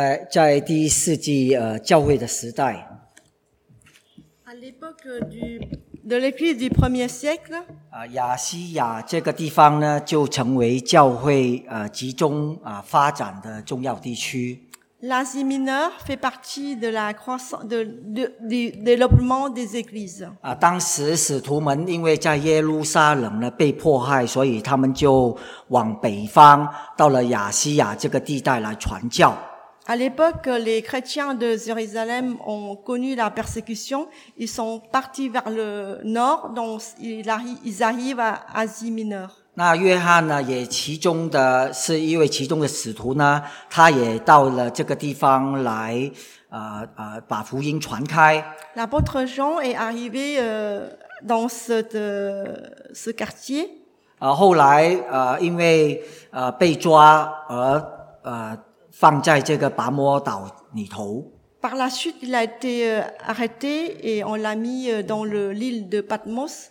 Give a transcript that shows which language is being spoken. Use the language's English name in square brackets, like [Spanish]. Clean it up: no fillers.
[Chinese] 在第一世纪教会的时代。 [French] À l'époque de l'Église du premier siècle。 [Chinese] 亚细亚这个地方呢，就成为教会集中发展的重要地区。 [French] L'Asie mineure fait partie de la croissance de développement des églises。 [Chinese] 当时使徒们因为在耶路撒冷呢被迫害，所以他们就往北方，到了亚细亚这个地带来传教。 [French] À l'époque, les chrétiens de Jérusalem ont connu la persécution. Ils sont partis vers le nord, donc ils arrivent à Asie mineure. [Chinese] 那约翰呢，也其中的是一位其中的使徒呢，他也到了这个地方来，把福音传开。 [French] L'apôtre Jean est arrivé dans ce quartier. [Chinese] 后来因为被抓而放在这个拔摩岛里头。 [French] Par la suite, il a été arrêté et on l'a mis dans l'île de Patmos.